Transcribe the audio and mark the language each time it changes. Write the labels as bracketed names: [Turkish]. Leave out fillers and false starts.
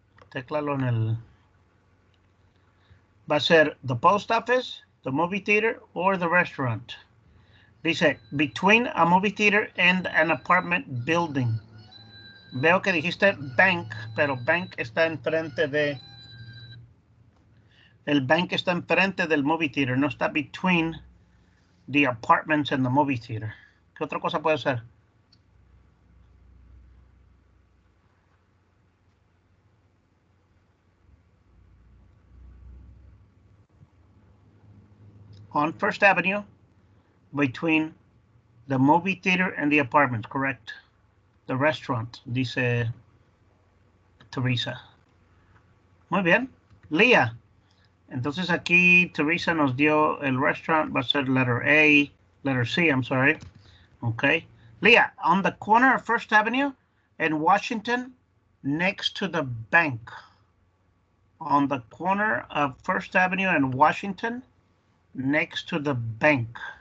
[Spanish] Teclalo en el... [English] Va a ser the post office, the movie theater, or the restaurant. Dice, between a movie theater and an apartment building. [Spanish] Veo que dijiste bank, pero bank está enfrente de... El bank está enfrente del movie theater, no está [English] between the apartments and the movie theater. [Spanish] ¿Qué otra cosa puede ser? [English] On First Avenue, between the movie theater and the apartment, correct? The restaurant, [Spanish] dice Teresa. Muy bien. Leah. Entonces aquí Teresa nos dio el restaurant. Va a ser [English] letter C, I'm sorry. Okay. Leah, on the corner of First Avenue and Washington, next to the bank. On the corner of First Avenue and Washington, next to the bank.